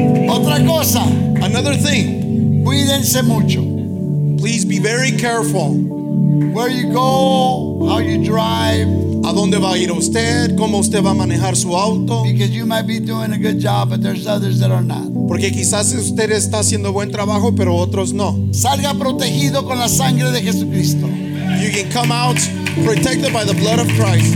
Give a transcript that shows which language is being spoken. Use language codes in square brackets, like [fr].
[es] Otra cosa, [en] another thing. [es] Cuídense mucho. [en] Please be very careful. Where you go, how you drive. [es] ¿A dónde va a ir usted? ¿Cómo usted va a manejar su auto? [en] Because you might be doing a good job, but there's others that are not. [es] Porque quizás usted está haciendo buen trabajo, pero otros no. Salga protegido con la sangre de Jesucristo. [en] You can come out protected by the blood of Christ.